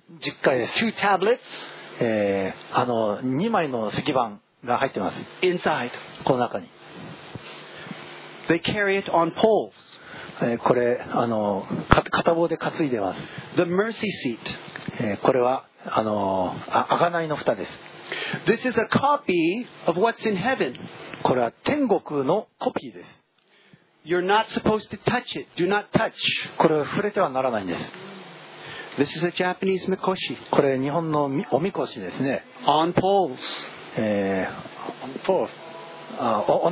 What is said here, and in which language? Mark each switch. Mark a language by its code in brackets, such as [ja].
[ja] 十戒です。 [en] Two tablets. [ja] 二枚の石板が入ってます。 [en] Inside. [ja] この中に。 [en] They carry it on poles. [ja] これ片棒で担いでます。 [en] The mercy seat. [ja] これは贖いの蓋です。 [en] This is a copy of what's in heaven. [ja] これは天国のコピーです。 [en] You're not supposed to touch it. Do not touch. [ja] これは触れてはならないんです。 [en] This is a Japanese mikoshi. [ja] これ日本のおみこしですね。 [en] On poles. On poles.